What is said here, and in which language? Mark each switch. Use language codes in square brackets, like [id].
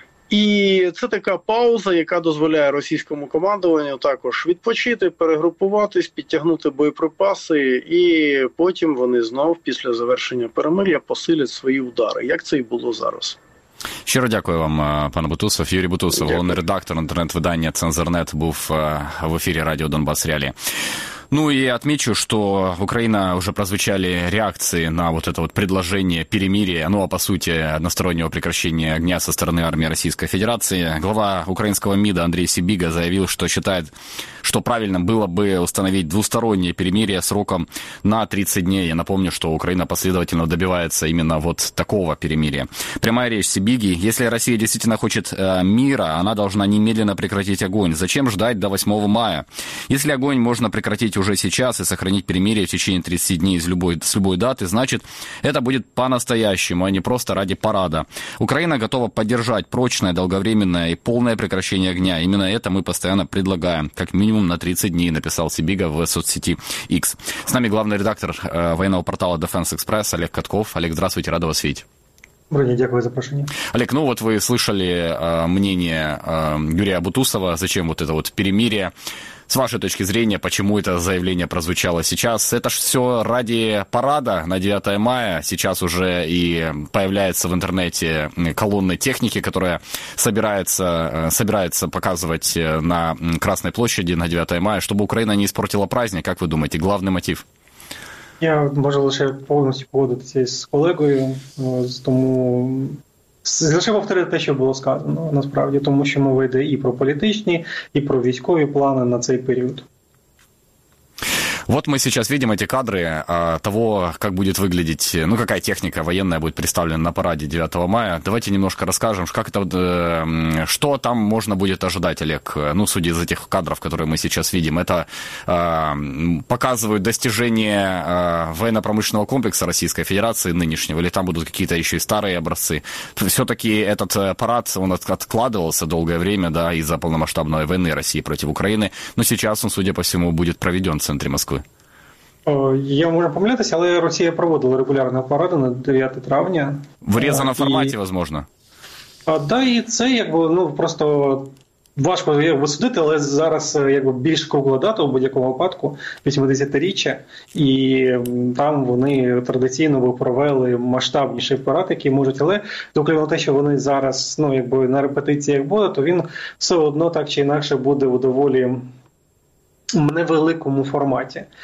[uk] І це така пауза, яка дозволяє російському командуванню також відпочити, перегрупуватись, підтягнути боєприпаси, і потім вони знов після завершення перемир'я посилять свої удари, як це і було зараз. Щиро дякую вам, пане Бутусов. Юрій Бутусов, дякую. Головний редактор інтернет-видання «Цензорнет», був в ефірі радіо «Донбас Реалі». [ru] Ну и отмечу, что Украина уже прозвучали реакции на вот это вот предложение перемирия, ну а по сути одностороннего прекращения огня со стороны армии Российской Федерации. Глава украинского МИДа Андрей Сибига заявил, что считает, что правильно было бы установить двустороннее перемирие сроком на 30 дней. Я напомню, что Украина последовательно добивается именно вот такого перемирия. Прямая речь Сибиги. Если Россия действительно хочет мира, она должна немедленно прекратить огонь. Зачем ждать до 8 мая? Если огонь можно прекратить уже сейчас и сохранить перемирие в течение 30 дней с любой даты, значит, это будет по-настоящему, а не просто ради парада. Украина готова поддержать прочное, долговременное и полное прекращение огня. Именно это мы постоянно предлагаем, как минимум на 30 дней, написал Сибига в соцсети X. С нами главный редактор военного портала Defense Express Олег Катков. Олег, здравствуйте, рада вас видеть. [uk] Броня, дякую за прошение. [ru] Олег, ну вот вы слышали мнение Юрия Бутусова, зачем вот это вот перемирие. С вашей точки зрения, почему это заявление прозвучало сейчас? Это же все ради парада на 9 мая. Сейчас уже и появляется в интернете колонны техники, которая собирается показывать на Красной площади на 9 мая, чтобы Украина не испортила праздник. Как вы думаете, главный мотив? [uk] Я можу лише повністю погодитися з колегою, тому лише повторити те, що було сказано насправді, тому що мова йде і про політичні, і про військові плани на цей період. [ru] Вот мы сейчас видим эти кадры того, как будет выглядеть, ну, какая техника военная будет представлена на параде 9 мая. Давайте немножко расскажем, как это, что там можно будет ожидать, Олег, ну, судя из этих кадров, которые мы сейчас видим. Это показывают достижения военно-промышленного комплекса Российской Федерации нынешнего, или там будут какие-то еще и старые образцы. Все-таки этот парад, он откладывался долгое время, да, из-за полномасштабной войны России против Украины, но сейчас он, судя по всему, будет проведен в центре Москвы. [uk] Я можу помилятися, але Росія проводила регулярні паради на 9 травня. В урізаному форматі, можливо. Да, і це якби, ну, просто важко висудити, але зараз якби більш кругла дата у будь-якому випадку, 80-річчя, і там вони традиційно би провели масштабніший парад, який можуть, але докрім те, що вони зараз, ну, якби на репетиціях буде, то він все одно так чи інакше буде у доволі невеликому форматі.